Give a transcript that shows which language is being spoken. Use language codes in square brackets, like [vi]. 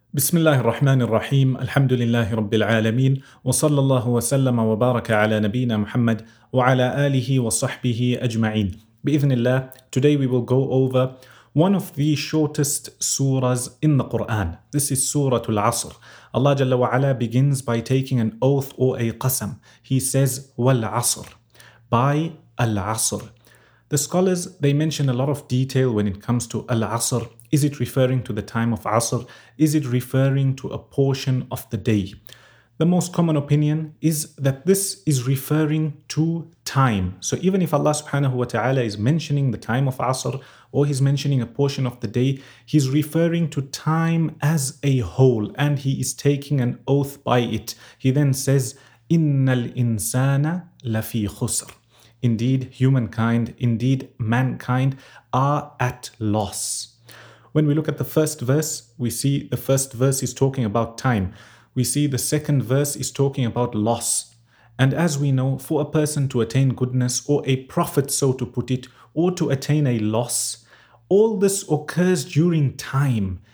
[ar] بسم الله الرحمن الرحيم الحمد لله رب العالمين وصلى الله وسلم وبارك على نبينا محمد وعلى آله وصحبه أجمعين بإذن الله. [en] Today we will go over one of the shortest surahs in the Quran. This is Surah Al-Asr. Allah Jalla wa Ala begins by taking an oath or a qasam. He says Wal-Asr, by Al-Asr. The scholars, they mention a lot of detail when it comes to Al-Asr. Is it referring to the time of Asr? Is it referring to a portion of the day? The most common opinion is that this is referring to time. So even if Allah subhanahu wa ta'ala is mentioning the time of Asr or he's mentioning a portion of the day, he's referring to time as a whole and he is taking an oath by it. [ar] He then says, إِنَّ الْإِنسَانَ لَفِي خُسْرٍ. [en] Indeed, humankind, indeed, mankind are at loss. When we look at the first verse, we see the first verse is talking about time. We see the second verse is talking about loss. And as we know, for a person to attain goodness, or a prophet, so to put it, or to attain a loss, all this occurs during time.